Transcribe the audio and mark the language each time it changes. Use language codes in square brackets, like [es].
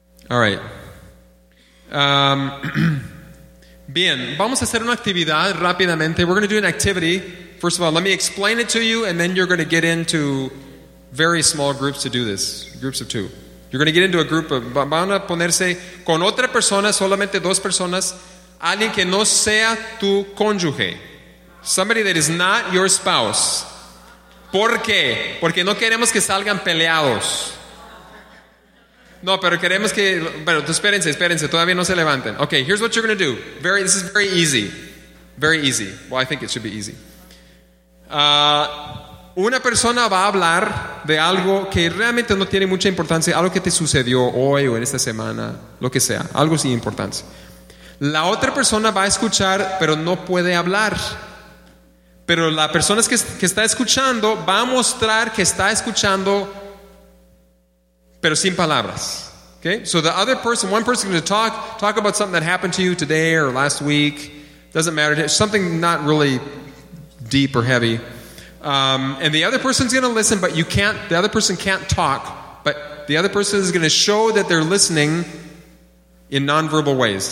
[en] All right. [es] bien, vamos a hacer una actividad rápidamente. [en] We're going to do an activity. First of all, let me explain it to you, and then you're going to get into very small groups to do this, groups of two. You're going to get into a group of, [es] van a ponerse con otra persona, solamente dos personas, alguien que no sea tu cónyuge. [en] Somebody that is not your spouse. [es] ¿Por qué? Porque no queremos que salgan peleados. No, pero queremos que, bueno, espérense, todavía no se levanten. [en] Okay, here's what you're going to do. This is very easy. Very easy. Well, I think it should be easy. [es] Una persona va a hablar de algo que realmente no tiene mucha importancia, algo que te sucedió hoy o en esta semana, lo que sea, algo sin importancia. La otra persona va a escuchar, pero no puede hablar. Pero la persona que está escuchando va a mostrar que está escuchando, pero sin palabras. [en] Okay? So the other person, one person is going to talk about something that happened to you today or last week. Doesn't matter. Something not really deep or heavy. And the other person's going to listen, but the other person can't talk, but the other person is going to show that they're listening in nonverbal ways.